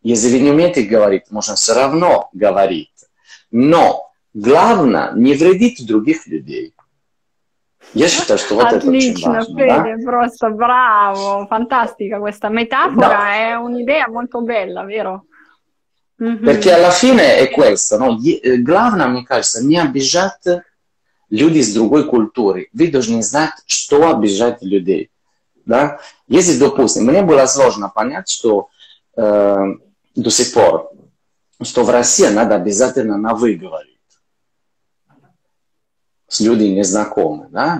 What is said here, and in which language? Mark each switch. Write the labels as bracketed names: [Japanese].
[Russian] Если вы не умеете говорить, можно все равно говорить. Но главное не вредить других людей. Я считаю, что вот отлично, это очень важно. Отлично, да? Просто браво, фантастика эта метафора. Да. Это идея очень [Italian] bella, vero? Perché alla fine è questo, no? [Russian] Главное, мне кажется, не обижать людей с другой культуры. Вы должны знать, что обижать людей. Да? Если, допустим, мне было сложно понять, что до сих пор, что в России надо обязательно на «вы» говорить с людьми незнакомыми. Да?